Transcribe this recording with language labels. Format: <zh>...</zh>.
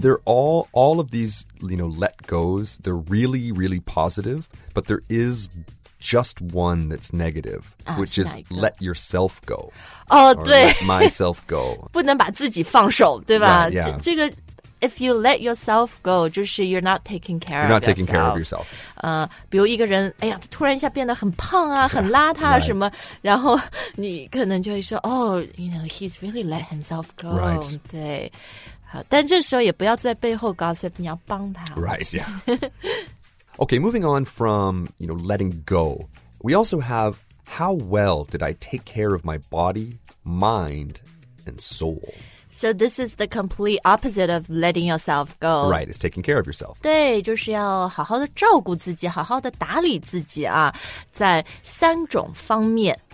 <en>they're all of these you know let goes they're really really positive but there isis just one that's negative, which is let yourself go.</en> <zh>Oh, 对</zh> <en>let myself go.</en> <zh>不能把自己放手对吧</zh> <en>yeah, yeah.</en> <zh>这个</zh> <en>if you let yourself go,</en> <zh>就是</zh> <en>you're not taking care of yourself. You're not taking care of yourself.</en> <zh>比如一个人哎呀突然一下变得很胖啊很邋遢什么、</zh> <en>right.</en> <zh>然后你可能就会说</zh> <en>oh, you know, he's really let himself go. Right.</en> <zh>对。好但这时候也不要在背后 gossip, 你要帮他。</zh> <en>Right, yeah. Okay, moving on from, you know, letting go, we also have how well did I take care of my body, mind, and soul? So this is the complete opposite of letting yourself go. Right, it's taking care of yourself.</en> <zh>对，就是要好好的照顾自己，好好的打理自己啊，在三种方面。</zh>